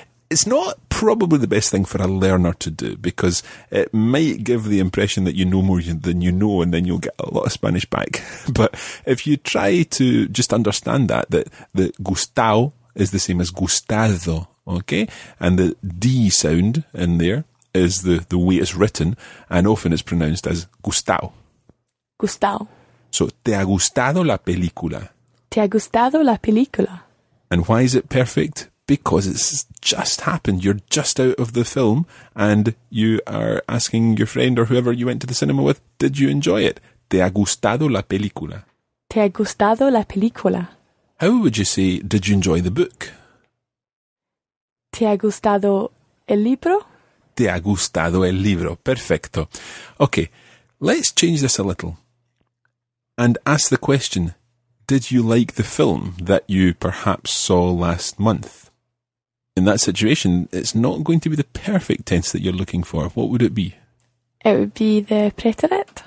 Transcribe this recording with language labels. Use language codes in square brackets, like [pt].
[en] It's not probably the best thing for a learner to do because it might give the impression that you know more than you know and then you'll get a lot of Spanish back. But if you try to just understand that the gustao is the same as gustado, okay? And the D sound in there is the way it's written and often it's pronounced as gustao. [es] Gustao. So, te ha gustado la película. Te ha gustado la película. [en] And why is it perfect? Because it's just happened, you're just out of the film, and you are asking your friend or whoever you went to the cinema with, did you enjoy it? [es] Te ha gustado la película. Te ha gustado la película. [en] How would you say, did you enjoy the book? [es] Te ha gustado el libro? Te ha gustado el libro, perfecto. [en] Okay, let's change this a little, and ask the question, did you like the film that you perhaps saw last month? In that situation, it's not going to be the perfect tense that you're looking for. What would it be? It would be the preterite.